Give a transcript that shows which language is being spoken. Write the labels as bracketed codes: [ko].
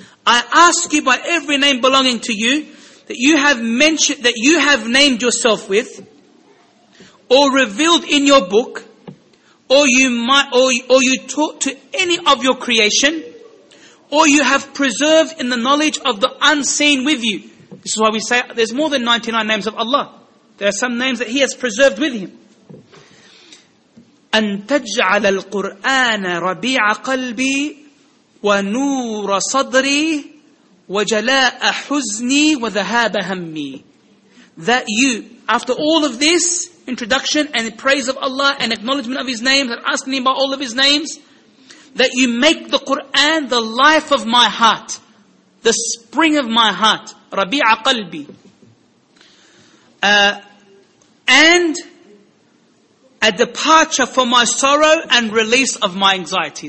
[en] I ask you by every name belonging to you that you have mentioned, that you have named yourself with, or revealed in your book, or you might, or you taught to any of your creation, or you have preserved in the knowledge of the unseen with you. This is why we say there's more than 99 names of Allah. There are some names that He has preserved with Him. [ar] أن تجعل القرآن ربيع قلبي ونور صدري وجلاء حزني وذهاب همي. [en] That you, after all of this introduction and the praise of Allah and acknowledgement of His names and asking Him about all of His names, that you make the Qur'an the life of my heart, the spring of my heart, Rabi'a Qalbi, and a departure for my sorrow and release of my anxiety.